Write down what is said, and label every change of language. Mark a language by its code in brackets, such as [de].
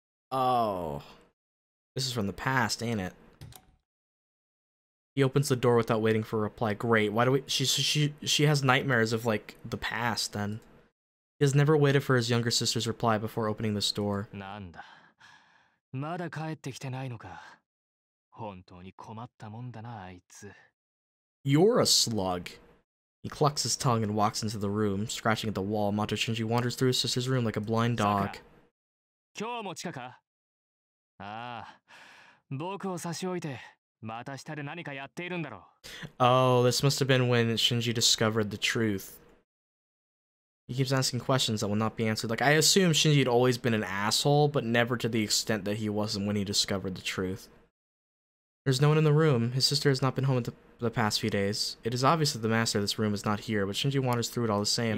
[en] Oh, this is from the past, ain't it? He opens the door without waiting for a reply. Great, why do we- she has nightmares of, like, the past, then. He has never waited for his younger sister's reply before opening this door. [ja] なんだ。まだ帰ってきてないのか。本当に困ったもんだな、あいつ。 [en] You're a slug. He clucks his tongue and walks into the room, scratching at the wall. Mato Shinji wanders through his sister's room like a blind dog. [ja] 今日も近か？ああ、僕を差し置いて、また下で何かやっているんだろう。 [en] Oh, this must have been when Shinji discovered the truth. He keeps asking questions that will not be answered. Like, I assume Shinji had always been an asshole, but never to the extent that he wasn't when he discovered the truth. There's no one in the room. His sister has not been home in the past few days. It is obvious that the master of this room is not here, but Shinji wanders through it all the same.